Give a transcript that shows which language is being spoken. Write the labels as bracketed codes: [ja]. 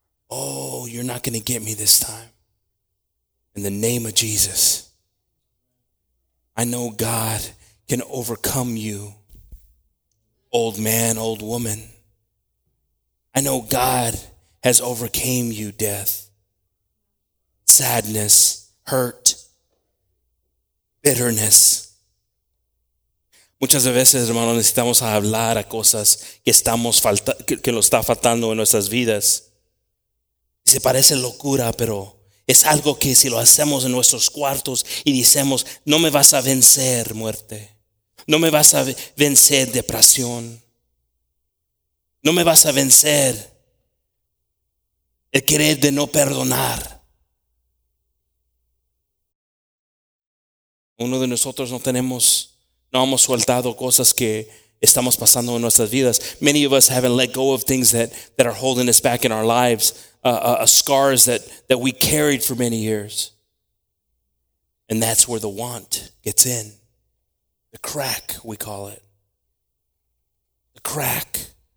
[en] Oh, you're not going to get me this time. In the name of Jesus, I know God can overcome you. Old man, old woman. I know God has overcame you death, sadness, hurt, bitterness. [es] Muchas veces, hermano, necesitamos hablar a cosas que estamos que lo está faltando en nuestras vidas. Se parece locura, pero es algo que si lo hacemos en nuestros cuartos y decimos, no me vas a vencer muerte. No me vas a vencer depresión. No me vas a vencer el querer de no perdonar. Uno de nosotros no hemos soltado cosas que estamos pasando en nuestras vidas. [en] Many of us haven't let go of things that are holding us back in our lives. Scars that we carried for many years. And that's where the want gets in. The crack, we call it. The crack.